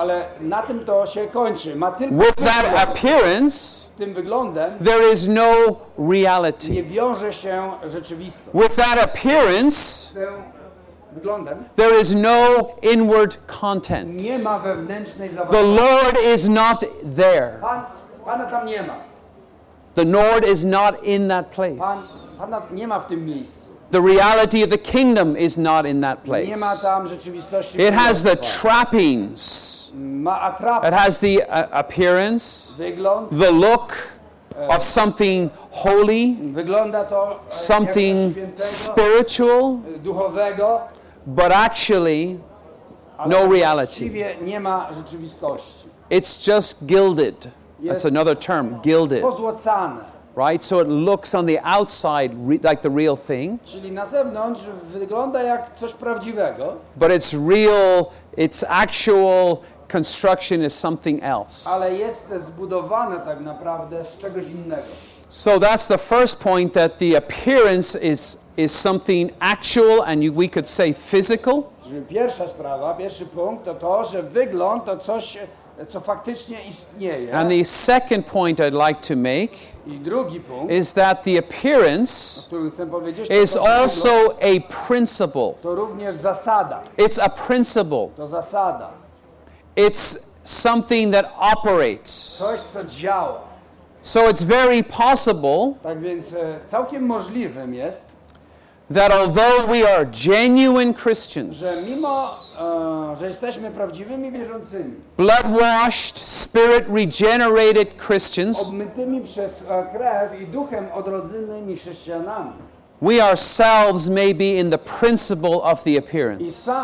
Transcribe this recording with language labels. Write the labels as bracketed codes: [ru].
[pl] Ale na tym to się kończy. Ma tylko [en] with that appearance, [pl] tym wyglądem, [en] there is no reality. [pl] Nie wiąże się rzeczywistość. [en] With that appearance, [pl] tym wyglądem, [en] there is no inward content. [pl] Nie ma wewnętrznej zawartości. [en] The Lord is not there. [pl] Pana tam nie ma. [en] The Lord is not in that place. [pl] Pana nie ma w tym miejscu. [en] The reality of the kingdom is not in that place. [pl] Nie ma tam rzeczywistości. [en] It has the trappings. [pl] Ma atrapy. [en] It has the appearance. [pl] Wygląd. [en] The look of something holy. [pl] Wygląda to [en] something spiritual. [pl] Duchowego. [en] But actually, no reality. [pl] Nie ma rzeczywistości. [en] It's just gilded. That's another term, gilded. [pl] Pozłocane. [en] Right, so it looks on the outside like the real thing. [pl] Czyli na zewnątrz wygląda jak coś prawdziwego. [en] But it's real, its actual construction is something else. [pl] Ale jest zbudowane tak naprawdę z czegoś innego. [en] So that's the first point, that the appearance is something actual, and we could say physical. [pl] Pierwsza sprawa, pierwszy punkt to, że wygląd to coś, co faktycznie istnieje. [en] And the second point I'd like to make [pl] i drugi punkt, [en] is that the appearance is also a principle. [pl] To również zasada. [en] It's a principle. [pl] To zasada. [en] It's something that operates. [pl] Coś, co działa. [en] So it's very possible, [pl] tak więc, całkiem możliwym jest, [en] that although we are genuine Christians, [pl] że mimo, że jesteśmy prawdziwymi wierzącymi, [en] blood washed, spirit regenerated Christians, [pl] obmytymi przez krew i duchem odrodzonymi chrześcijanami, [en] we ourselves may be in the principle of the appearance.